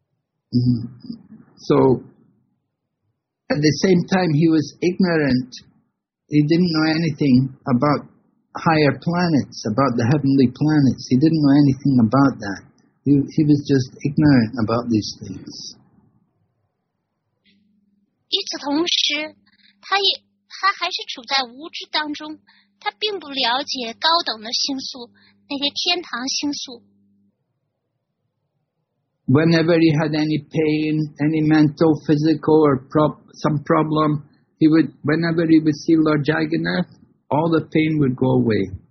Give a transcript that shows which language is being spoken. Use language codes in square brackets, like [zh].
[zh] 他深深地被主扎格纳的美丽所吸引。So, [en] at the same time, he was ignorant. He didn't know anything about higher planets, about the heavenly planets. He didn't know anything about that. He was just ignorant about these things. [zh] 与此同时，他还是处在无知当中，他并不了解高等的星宿，那些天堂星宿。 [en] Whenever he had any pain, any mental, physical, or some problem, whenever he would see Lord Jagannath, all the pain would go away.